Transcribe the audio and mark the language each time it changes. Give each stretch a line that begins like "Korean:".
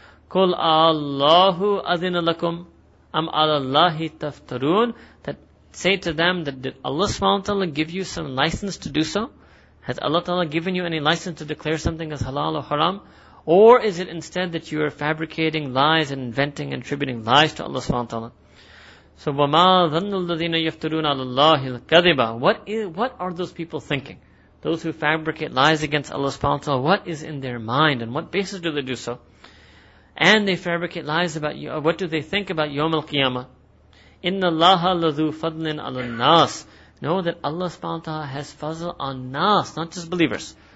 Arabic: قُلْ أَلَّهُ أَذِنَ لَكُمْ أَمْ عَلَى اللَّهِ تَفْتَرُونَ,
English: that say to them that did Allah subhanahu wa ta'ala give you some license to do so? Has Allah Ta'ala given you any license to declare something as halal or haram? Or is it instead that you are fabricating lies and inventing and attributing lies to Allah Subhanahu wa Ta'ala?
Arabic: So, وَمَا ظَنُّ الَّذِينَ يَفْتَرُونَ عَلَى اللَّهِ الْكَذِبَ,
English: what are those people thinking? Those who fabricate lies against Allah Subhanahu wa Ta'ala, what is in their mind and what basis do they do so? And they fabricate lies about you, what do they think about Yawm al-Qiyamah?
Arabic: إِنَّ اللَّهَ لَذُو فَضْلٍ عَلَى النَّاسِ,
English: know that Allah subhanahu wa ta'ala has fazl on nas, not just believers.